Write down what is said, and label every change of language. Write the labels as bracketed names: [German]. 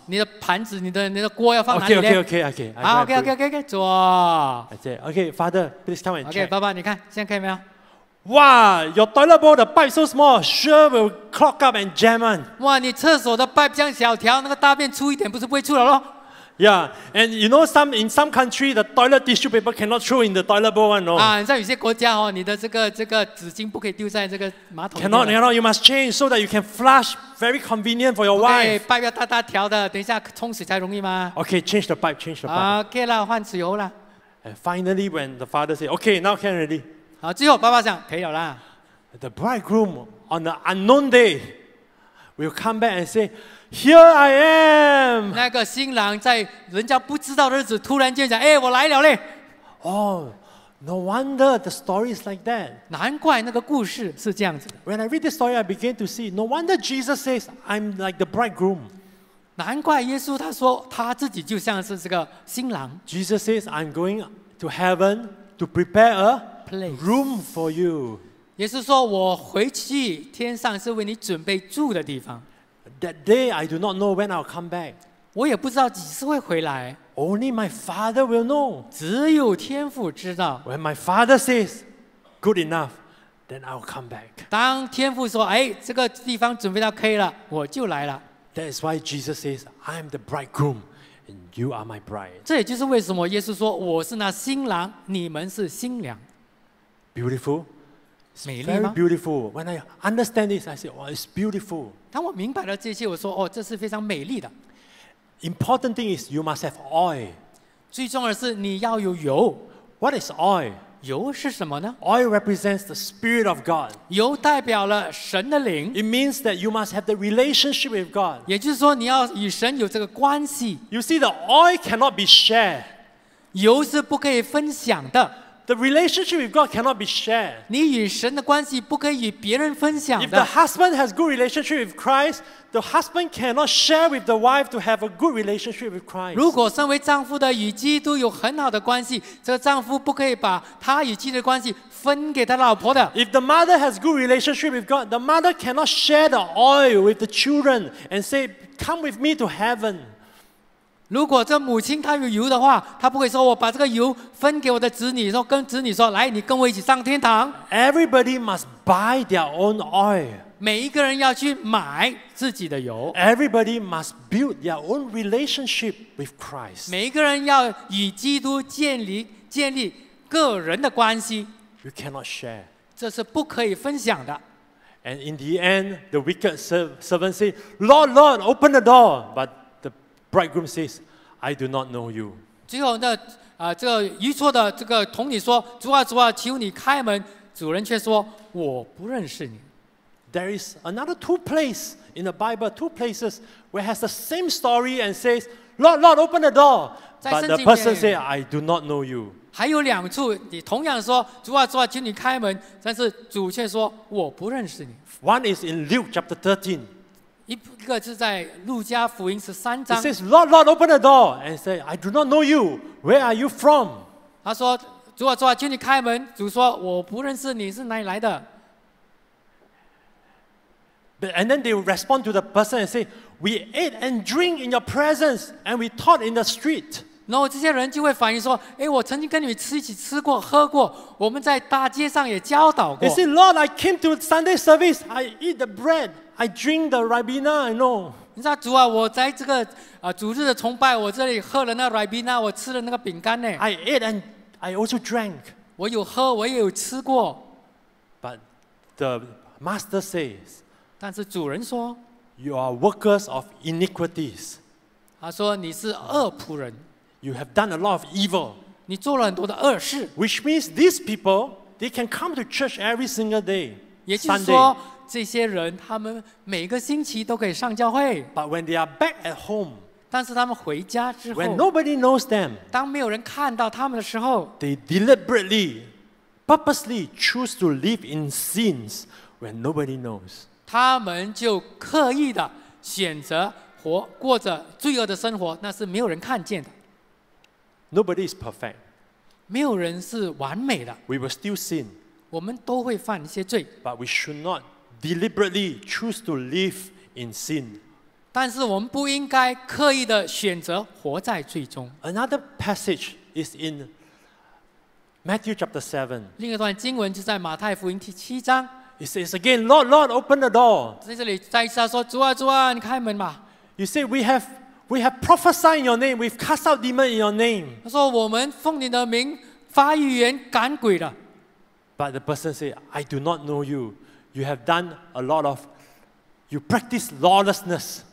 [Chinese] 你的盘子，你的锅要放哪里呢 [English] ？Okay. [Chinese] Okay. 坐。 [English] Okay, Father, please come and check. [Chinese] Okay, 爸爸，你看现在可以没有？ [English] 哇 ，your toilet bowl 的 pipe so small, sure will clog up and jam on. [Chinese] 哇，你厕所的 pipe 这样小条，那个大便粗一点，不是不会出来咯 [English] ？Yeah, and you know in some country the toilet tissue paper cannot throw in the toilet bowl one, no? [Chinese] 在有些国家哦，你的这个纸巾不可以丢在这个马桶。 [English] Cannot. You must change so that you can flush. Very convenient for your wife. [Chinese] 对，拜要大大条的，等一下冲洗才容易吗 [English] ？Okay, change the pipe, change the pipe. [Chinese] Okay 了，换纸油了。 [English] And finally, when the father said, "Okay, now can ready." [Chinese] 好，最后爸爸讲可以了啦。 [English] The bridegroom on the unknown day will come back and say, "Here I am." [Chinese] 那个新郎在人家不知道的日子突然间讲，哎，我来了嘞。 [English] Oh, no wonder the story is like that. [Chinese] 难怪那个故事是这样子的。 [English] When I read this story, I begin to see, no wonder Jesus says, I'm like the bridegroom. [Chinese] 难怪耶稣他说他自己就像是这个新郎。 [English] Jesus says, I'm going to heaven to prepare a place, room for you. [Chinese] 耶稣说我回去天上是为你准备住的地方。 [English] That day, I do not know when I'll come back. [Chinese] 我也不知道几时会回来。 [English] Only my father will know. [Chinese] 只有天父知道。 [English] When my father says, good enough, then I'll come back. [Chinese] 当天父说，哎，这个地方准备到可以了，我就来了。 [English] That is why Jesus says, I am the bridegroom, and you are my bride. [Chinese] 这也就是为什么耶稣说，我是那新郎，你们是新娘。 [English] Beautiful. [Chinese] It's 美丽吗 [English] ？Very beautiful. When I understand this, I say, oh, it's beautiful. [Chinese] 当我明白了这些，我说，哦，这是非常美丽的。 [English] Important thing is you must have oil. [Chinese] 最重要的是你要有油。 [English] What is oil? [Chinese] 油是什么呢 [English] ？Oil represents the spirit of God. [Chinese] 油代表了神的灵。 [English] It means that you must have the relationship with God. [Chinese] 也就是说你要与神有这个关系。 [English] You see, the oil cannot be shared. [Chinese] 油是不可以分享的。 [English] The relationship with God cannot be shared. [Chinese] 你与神的关系不可以与别人分享的。 [English] If the husband has good relationship with Christ, the husband cannot share with the wife to have a good relationship with Christ. [Chinese] 如果身为丈夫的与基督有很好的关系，这个丈夫不可以把他与基督的关系分给他老婆的。 [English] If the mother has good relationship with God, the mother cannot share the oil with the children and say, "Come with me to heaven." [Chinese] 如果这母亲她有油的话，她不会说我把这个油分给我的子女，说跟子女说，来，你跟我一起上天堂。 [English] Everybody must buy their own oil. [Chinese] 每一个人要去买自己的油。 [English] Everybody must build their own relationship with Christ. [Chinese] 每一个人要与基督建立个人的关系。 [English] You cannot share. [Chinese] 这是不可以分享的。 [English] And in the end, the wicked servant says, "Lord, Lord, open the door." But the bridegroom says, "I do not know you." [Chinese] 最后呢，这个愚拙的这个童女说，主啊，主啊，求你开门。主人却说，我不认识你。 [English] There is another two places in the Bible, two places where it has the same story and says, "Lord, Lord, open the door." But the person says, "I do not know you." [Chinese] 还有两处，你同样说，主啊，主啊，请你开门，但是主却说，我不认识你。 [English] One is in Luke chapter 13. [Chinese] 一个是在路加福音十三章。 [English] He says, "Lord, Lord, open the door," and say, "I do not know you. Where are you from?" [Chinese] 他说，主啊，主啊，请你开门。主说，我不认识你是哪里来的。 [English] But, and then they respond to the person and say, "We ate and drink in your presence, and we taught in the street." [Chinese] 然后这些人就会反映说，哎，我曾经跟你们一起吃过、喝过，我们在大街上也教导过。 [English] They say, "Lord, I came to Sunday service. I eat the bread. I drink the ribena. I know." [Chinese] 你说主啊，我在这个主日的崇拜，我这里喝了那 ribena， 我吃了那个饼干呢。 [English] I ate and I also drank. [Chinese] 我有喝，我也有吃过。 [English] But the master says. [Chinese] 但是主人说 [English] "You are workers of iniquities." [Chinese] 他说你是恶仆人。 [English] You have done a lot of evil. [Chinese] 你做了很多的恶事。 [English] Which means these people they can come to church every single day. [Chinese] 也就是说，这些人他们每个星期都可以上教会。 [English] But when they are back at home, [Chinese] 但是他们回家之后 [English] ，when nobody knows them, [Chinese] 当没有人看到他们的时候 [English] ，they deliberately, purposely choose to live in sins when nobody knows. [Chinese] 他们就刻意的选择活过着罪恶的生活，那是没有人看见的。 [English] Nobody is perfect. [Chinese] 没有人是完美的。 [English] We will still sin. [Chinese] 我们都会犯一些罪。 [English] But we should not deliberately choose to live in sin. [Chinese] 但是我们不应该刻意的选择活在罪中。 [English] Another passage is in Matthew chapter 7. [Chinese] 另一段经文就在马太福音第七章。 [English] He says again, "Lord, Lord, open the door." [Chinese] 在这里再一次他说，主啊，主啊，你开门吧。 [English] He said, "We have prophesied in your name. We've cast out demons in your name." [Chinese] 他说，我们奉你的名发预言赶鬼的。 [English] But the person said, "I do not know you. You have done a lot of, you practice lawlessness."